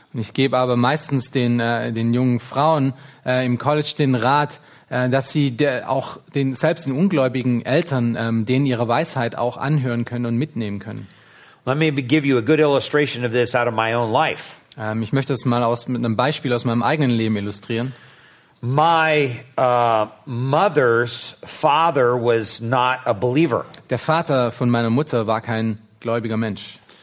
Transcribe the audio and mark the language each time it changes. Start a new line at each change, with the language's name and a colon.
German: Und ich gebe aber meistens den jungen Frauen im College den Rat, dass sie selbst den ungläubigen Eltern denen ihre Weisheit auch anhören können und mitnehmen können.
English: Let me give you a good illustration of this out of my own life.
German: Ich möchte es mal mit einem Beispiel aus meinem eigenen Leben illustrieren.
English: My mother's father was not a believer.
German: Der Vater von meiner Mutter war kein gläubiger Mensch.